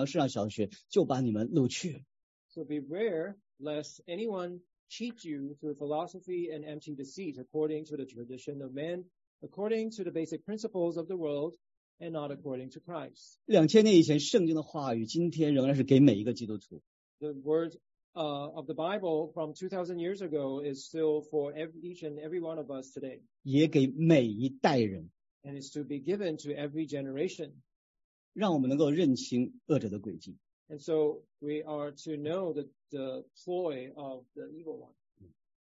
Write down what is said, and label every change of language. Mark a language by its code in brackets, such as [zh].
[zh] 我们要谨慎,恐怕有人用他的理学和虚空的妄言,不照基督,乃照人间的遗传世上小学,就把你们录去。 [en] So beware, lest anyone cheat you through philosophy and empty deceit, according to the tradition of men, according to the basic principles of the world, and not according to Christ. [zh] 2000年以前,圣经的话语,今天仍然是给每一个基督徒。 [en] The word of the Bible from 2,000 years ago is still for each and every one of us today. [zh] 也给每一代人, [en] and it's to be given to every generation. [zh] 让我们能够认清恶者的轨迹。 [en] And so we are to know the ploy of the evil one.